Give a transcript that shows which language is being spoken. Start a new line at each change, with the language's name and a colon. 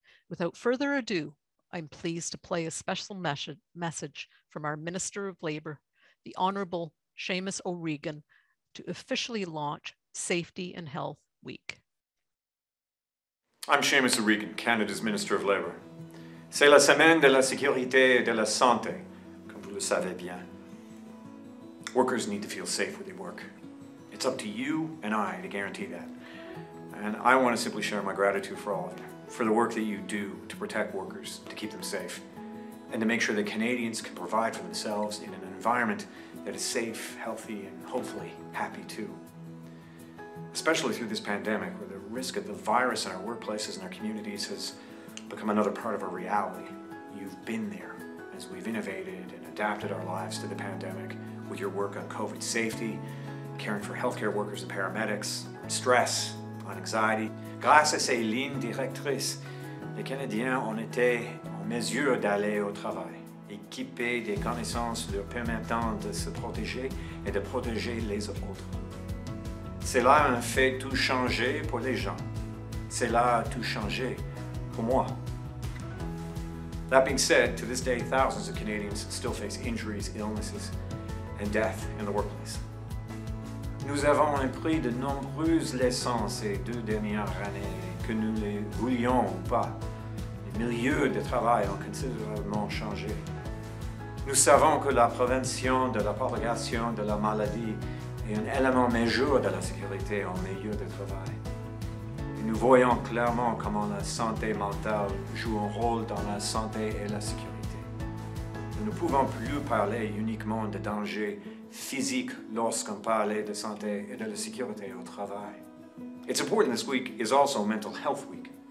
English: Without further ado, I'm pleased to play a special message from our Minister of Labour, the Honourable Seamus O'Regan, to officially launch Safety and Health Week. I'm Seamus O'Regan, Canada's Minister of Labour.
French: C'est la semaine de la sécurité et de la santé, comme vous le savez bien.
English: Workers need to feel safe where they work. It's up to you and I to guarantee that. And I want to simply share my gratitude for all of you, for the work that you do to protect workers, to keep them safe, and to make sure that Canadians can provide for themselves in an environment that is safe, healthy, and hopefully happy too. Especially through this pandemic, where the risk of the virus in our workplaces and our communities has become another part of our reality. You've been there as we've innovated and adapted our lives to the pandemic with your work on COVID safety, caring for healthcare workers and paramedics, stress, on anxiety.
French: Grâce à ces lignes directrices, les Canadiens ont été en mesure d'aller au travail, équipés des connaissances leur permettant de se protéger et de protéger les autres. Cela a fait tout changer pour les gens. Cela a tout changé pour moi.
English: That being said, to this day, thousands of Canadians still face injuries, illnesses, and death in the workplace.
French: Nous avons appris de nombreuses leçons ces deux dernières années, que nous les voulions ou pas. Les milieux de travail ont considérablement changé. Nous savons que la prévention de la propagation de la maladie est un élément majeur de la sécurité en milieu de travail. Nous voyons clairement comment la santé mentale joue un rôle dans la santé et la sécurité. Nous ne pouvons plus parler uniquement de dangers physiques lorsqu'on parle de santé et de la sécurité au travail.
English: It's important this week is also Mental Health Week.